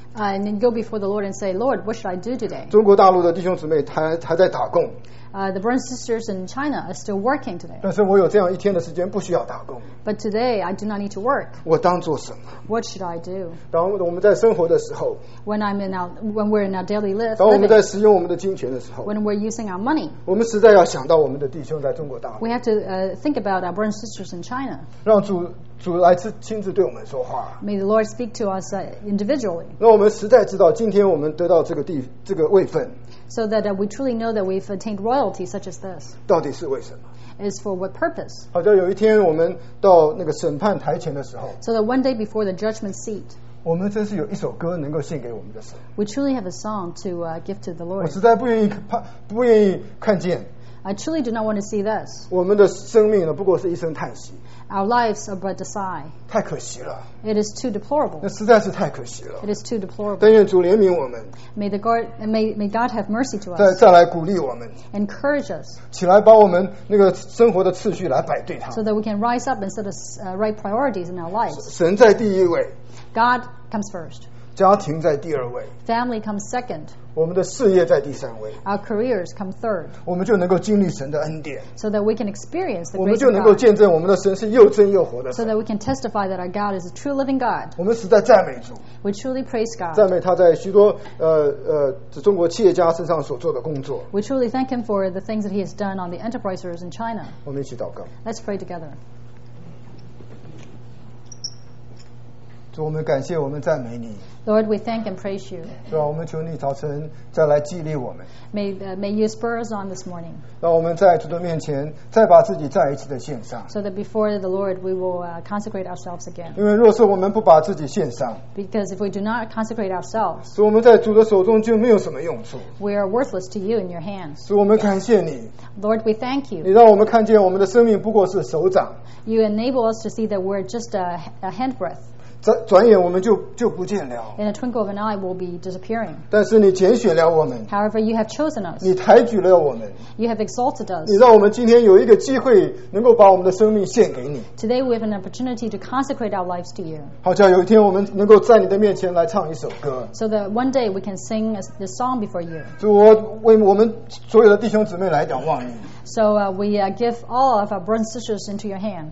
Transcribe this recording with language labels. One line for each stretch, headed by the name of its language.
English: And then go before the Lord and say, Lord, what should I do today?
Chinese: 中国大陆的弟兄姊妹还在打工。
English: The brothers and sisters in China are still working today.
Chinese: 但是我有这样一天的时间不需要打工。
English: But today, I do not need to work.
Chinese: 我当做什么？
English: What should I do?
Chinese: 当我们在生活的时候。
English: When we're in our daily living.
Chinese: 当我们在使用我们的金钱的时候。
English: When we're using our money.
Chinese: 我们实在要想到我们的弟兄在中国大陆。
English: We have to think about our brothers and sisters in China.
Chinese: 让主来亲自对我们说话。
English: May the Lord speak to us individually.
Chinese: 让我们实在知道今天我们得到这个位分。
English: So that we truly know that we've attained royalty such as this.
Chinese: 到底是为什么？
English: Is for what purpose?
Chinese: 好像有一天我们到那个审判台前的时候。
English: So that one day before the judgment seat.
Chinese: 我们真是有一首歌能够献给我们的神。
English: We truly have a song to give to the Lord.
Chinese: 我实在不愿意看见。
English: I truly do not want to see this.
Chinese: 我们的生命呢，不过是一声叹息。
English: Our lives are but a sigh.
Chinese: 太可惜了。
English: It is too deplorable.
Chinese: 那实在是太可惜了。
English: It is too deplorable.
Chinese: 但愿主怜悯我们。
English: May God have mercy to us.
Chinese: 再来鼓励我们。
English: Encourage us.
Chinese: 起来把我们那个生活的次序来摆对它。
English: So that we can rise up and set us right priorities in our lives.
Chinese: 神在第一位。
English: God comes first.
Chinese: 家庭在第二位。
English: Family comes second.
Chinese: 我们的事业在第三位
English: Our careers come third
Chinese: 我们就能够经历神的恩典
English: So that we can experience the grace of God
Chinese: 我们就能够见证我们的神是又真又活的神
English: So that we can testify that our God is a true living God
Chinese: 我们实在赞美主
English: We truly praise God
Chinese: 赞美他在许多中国企业家身上所做的工作
English: We truly thank him for the things that he has done on the enterprises in China
Chinese: 我们一起祷告
English: Let's pray together
Chinese: 主我们感谢我们赞美你
English: Lord we thank and praise you
Chinese: 主啊我们求你早晨再来激励我们
English: May you spur us on this morning
Chinese: 让我们在主的面前再把自己再一次的献上
English: So that before the Lord we will consecrate ourselves again
Chinese: 因为若是我们不把自己献上
English: Because if we do not consecrate ourselves
Chinese: 主我们在主的手中就没有什么用处
English: We are worthless to you in your hands
Chinese: 主我们感谢你
English: Lord we thank you
Chinese: 你让我们看见我们的生命不过是手掌
English: You enable us to see that we're just a handbreadth
Chinese: 转眼我们 就不见了
English: In a twinkle of an eye we'll be disappearing
Chinese: 但是你拣选了我们
English: However you have chosen us
Chinese: 你抬举了我们
English: You have exalted us
Chinese: 你让我们今天有一个机会能够把我们的生命献给你
English: Today we have an opportunity to consecrate our lives to you
Chinese: 好像有一天我们能够在你的面前来唱一首歌
English: So that one day we can sing this song before you
Chinese: 主我为我们所有的弟兄姊妹来仰望你
English: So we give all of our brothers and sisters into your hands